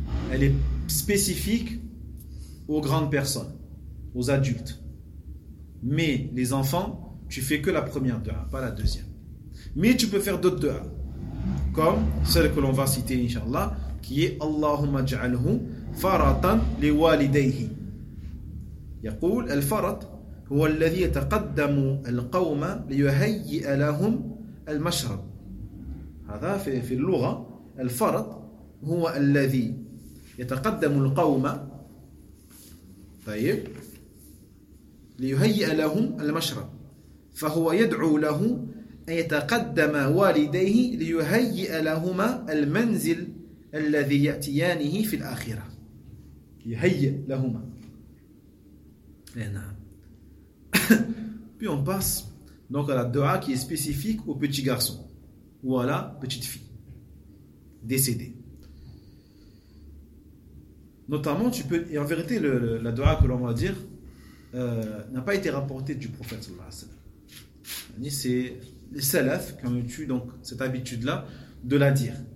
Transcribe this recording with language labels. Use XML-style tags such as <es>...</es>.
<fr>Elle est spécifique aux grandes personnes, aux adultes. Mais les enfants, tu fais que la première dua, pas la deuxième. Mais tu peux faire d'autres dua, comme celle que l'on va citer, Inch'Allah, qui est</fr> <ar>Allahumma ja'alhu faratan li walidayhi. Yaqul al-farat. هو الذي يتقدم القوم ليهيئ لهم المشرب هذا في اللغة الفرط هو الذي يتقدم القوم طيب ليهيئ لهم المشرب فهو يدعو له أن يتقدم والديه ليهيئ لهما المنزل الذي يأتيانه في الآخرة يهيئ لهما نعم</ar> <fr>Puis on passe donc à la dua qui est spécifique au petit garçon ou à la petite fille décédée. Notamment, tu peux, et en vérité, la dua que l'on va dire n'a pas été rapportée du prophète sallallahu alayhi wa sallam. C'est les salafs qui ont eu donc, cette habitude-là de la dire.</fr>